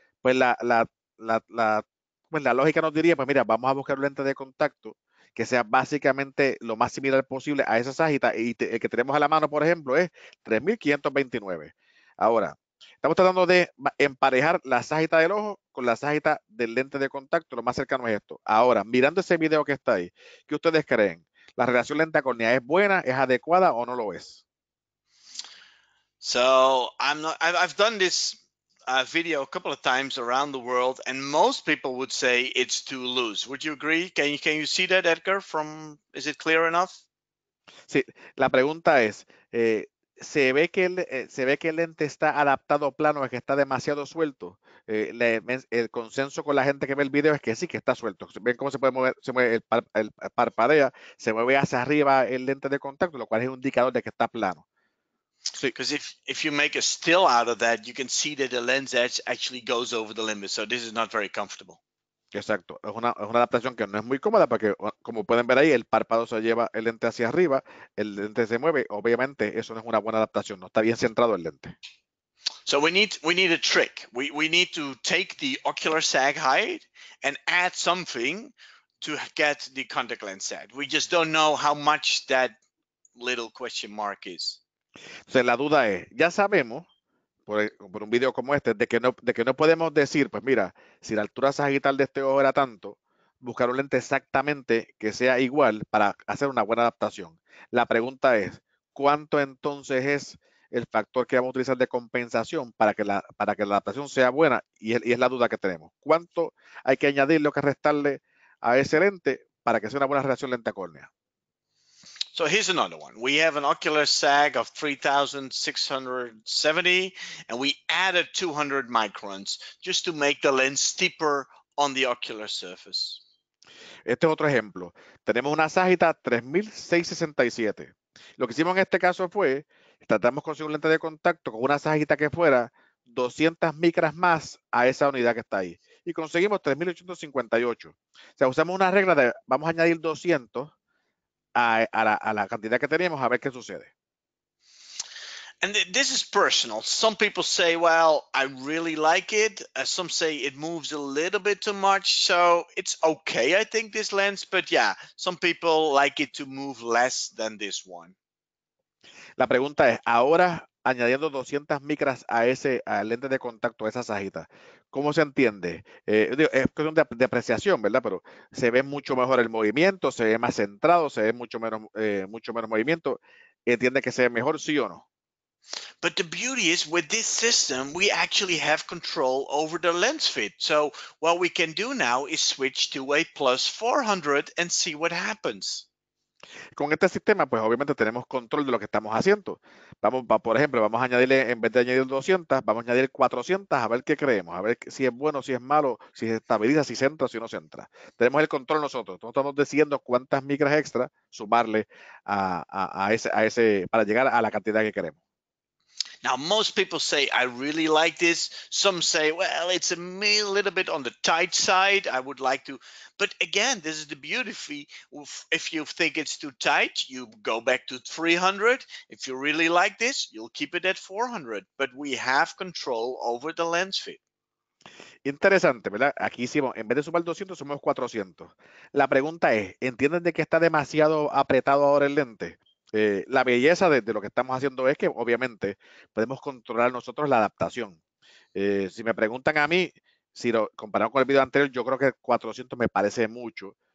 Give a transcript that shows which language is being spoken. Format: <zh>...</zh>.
<es>Pues la lógica nos diría, pues mira, vamos a buscar un lente de contacto que sea básicamente lo más similar posible a esa sajita, y el que tenemos a la mano, por ejemplo, es 3,529. Ahora, estamos tratando de emparejar la sajita del ojo con la sajita del lente de contacto, lo más cercano es esto. Ahora, mirando ese video que está ahí, ¿qué ustedes creen? ¿La relación lente a córnea es buena, es adecuada o no lo es?</es> <en>So I've done this video a couple of times around the world, and most people would say it's too loose. Would you agree? Can you see that, Edgar? Is it clear enough?</en> <es>Sí. La pregunta es, ¿se ve que el lente está adaptado plano, es que está demasiado suelto? El consenso con la gente que ve el video es que sí, que está suelto. ¿Ven cómo se puede mover? Se mueve el parpadea, se mueve hacia arriba el lente de contacto, lo cual es un indicador de que está plano.</es> <en>Because if you make a still out of that, you can see that the lens edge actually goes over the limbus. So this is not very comfortable.</en> <es>Exacto. Es una adaptación que no es muy cómoda porque, como pueden ver ahí, el párpado se lleva el lente hacia arriba, el lente se mueve. Obviamente, eso no es una buena adaptación. No está bien centrado el lente.</es> <en>So we need a trick. We need to take the ocular sag height and add something to get the contact lens sag. We just don't know how much that little question mark is.</en> <es>Entonces, la duda es, ya sabemos, por un video como este, de que no podemos decir, pues mira, si la altura sagital de este ojo era tanto, buscar un lente exactamente que sea igual para hacer una buena adaptación. La pregunta es, ¿cuánto entonces es el factor que vamos a utilizar de compensación para que la adaptación sea buena? Y es la duda que tenemos. ¿Cuánto hay que añadirle o que restarle a ese lente para que sea una buena relación lente-córnea?</es> <en>So here's another one. We have an ocular sag of 3,670, and we added 200 microns just to make the lens steeper on the ocular surface.</en> <es>Este es otro ejemplo. Tenemos una sagita 3,667. Lo que hicimos en este caso fue, tratamos de conseguir un lente de contacto con una sagita que fuera 200 micras más a esa unidad que está ahí. Y conseguimos 3,858. O sea, usamos una regla de, vamos a añadir 200, a la cantidad que teníamos, a ver qué sucede.</es> <en>And this is personal. Some people say, well, I really like it. Some say it moves a little bit too much. So it's okay, I think, this lens. But yeah, some people like it to move less than this one.</en> <es>La pregunta es, ahora añadiendo 200 micras a ese lente de contacto, a esa sajita, ¿cómo se entiende? Es cuestión de apreciación, ¿verdad? Pero se ve mucho mejor el movimiento, se ve más centrado, se ve mucho menos movimiento. ¿Entiende que se ve mejor, sí o no?</es> <en>But the beauty is, with this system, we actually have control over the lens fit. So what we can do now is switch to a plus 400 and see what happens.</en> <es>Con este sistema, pues obviamente tenemos control de lo que estamos haciendo. Por ejemplo, vamos a añadirle, en vez de añadir 200, vamos a añadir 400, a ver qué creemos, a ver si es bueno, si es malo, si se estabiliza, si se entra, si no se entra. Tenemos el control nosotros. Entonces, estamos decidiendo cuántas micras extra sumarle a ese para llegar a la cantidad que queremos.</es> <en>Now, most people say, I really like this. Some say, well, it's a little bit on the tight side. I would like to. But again, this is the beauty. If you think it's too tight, you go back to 300. If you really like this, you'll keep it at 400. But we have control over the lens fit.</en> <es>Interesante, ¿verdad? Aquí hicimos, en vez de sumar 200, sumamos 400. La pregunta es, ¿entienden de que está demasiado apretado ahora el lente? La belleza de lo que estamos haciendo es que, obviamente, podemos controlar nosotros la adaptación. Si me preguntan a mí, si lo comparamos con el video anterior, yo creo que 400 me parece mucho.</es>